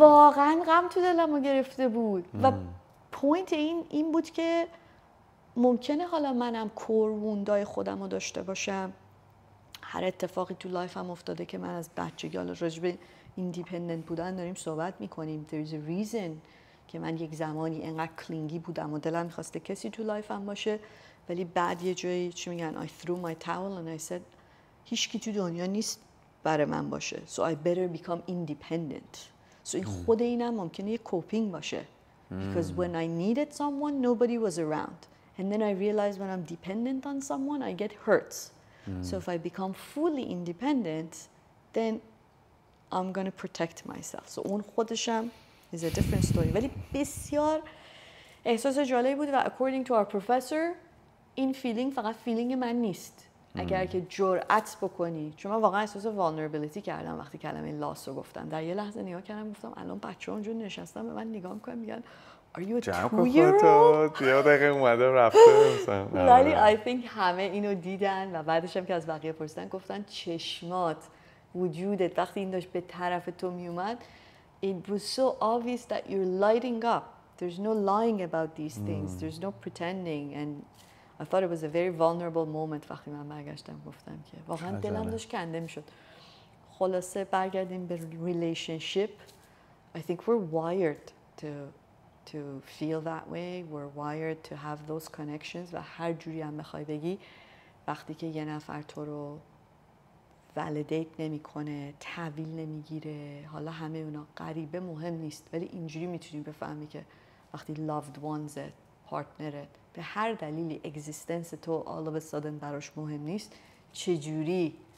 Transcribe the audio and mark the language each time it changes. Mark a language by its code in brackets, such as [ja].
[fa] واقعا غم تو دلم رو گرفته بود. و پوینت این بود که ممکنه حالا منم کوروندای خودم رو داشته باشم، هر اتفاقی تو لایفم افتاده که من از بچگی، حالا راجب ایندیپندنت بودن داریم صحبت میکنیم، [en] there is a reason [fa] که من یک زمانی اینقدر کلینگی بودم و دلم میخواسته کسی تو لایفم باشه، ولی بعد یه جایی چی میگن [en] I threw my towel and I said [fa] هیچکی تو دنیا نیست برای من باشه. [en] So I better become independent. [fa] So این خود اینم ممکنه یه کوپینگ باشه. [en] Because when I needed someone, nobody was around. And then I realized when I'm dependent on someone, I get hurt. So if I become fully independent, then I'm going to protect myself. So [fa] اون خودشم [en] is a different story. [fa] ولی بسیار احساس جالبی بود و [en] according to our professor, [fa] این فیلینگ فقط فیلینگ من نیست. اگر که جرأت بکنی، چون من واقعا احساس vulnerability کردم وقتی کلمه loss رو گفتم. در یه لحظه نگاه کردم گفتم الان بچه اونجا نشستم به من نگاه میکنم میگن [en] Are you a two-year-old? [fa] یه دقیقه اومده رفته مثلا. ولی [en] I think [fa] همه اینو دیدن و بعدش هم که از بقیه پرسیدن گفتن چشمات وجودت وقتی این داشت به طرف تو میومد [en] It was so obvious that you're lighting up. There's no lying about these things. There's no pretending. And I thought it was a very vulnerable moment [fa] وقتی من برگشتم گفتم که واقعا دلم داشت کنده میشد. خلاصه برگردیم به relationship. [en] I think we're wired to feel that way. We're wired to have those connections. [fa] و هر جوری هم بخوای بگی وقتی که یه نفر تو رو validate نمی کنه، تحویل نمی گیره، حالا همه اونا غریبه مهم نیست، ولی اینجوری میتونی بفهمی که وقتی loved ones partnerت به هر دلیلی اگزیستنس تو [en] all of a sudden [fa] براش مهم نیست، چجوری